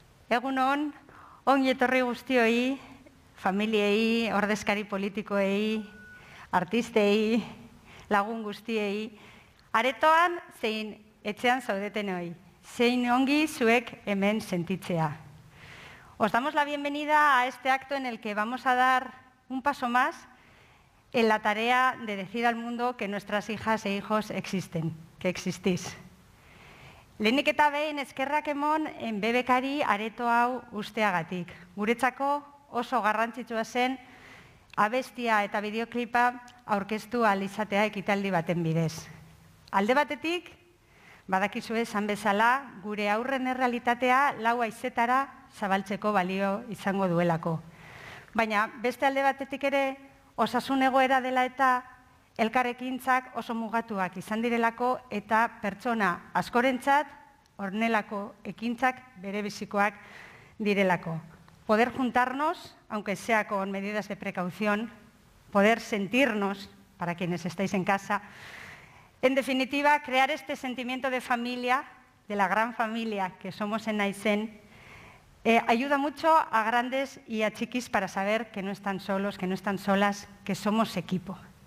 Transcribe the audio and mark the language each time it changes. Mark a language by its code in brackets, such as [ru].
[eu] Egunon, ongi etorri guztioi, familiei, ordezkari politikoei, artistei, lagun guztiei, aretoan zein etxean zaudetenoi, zein ongi zuek hemen sentitzea. [es] Os damos la bienvenida a este acto en el que vamos a dar un paso más en la tarea de decir al mundo que nuestras hijas e hijos existen, que existís. [eu] Lehenik eta behin eskerrak emon BBK-ari areto hau usteagatik. Guretzako oso garrantzitsua zen abestia eta bideoklipa aurkeztu ahal izatea ekitaldi baten bidez. Alde batetik, badakizue esan bezala, gure aurren errealitatea lau haizetara zabaltzeko balio izango duelako. Baina beste alde batetik ere, osasun egoera dela eta elkarrekintzak oso mugatuak izan direlako eta pertsona askorentzat ornelako ekintzak berebizikoak direlako. [es] Poder juntarnos, aunque sea con medidas de precaución, poder sentirnos, para quienes estáis en casa, en definitiva, crear este sentimiento de familia, de la gran familia que somos en Aizen, ayuda mucho a grandes y a chiquis para saber que no están solos, que no están solas, que somos equipo.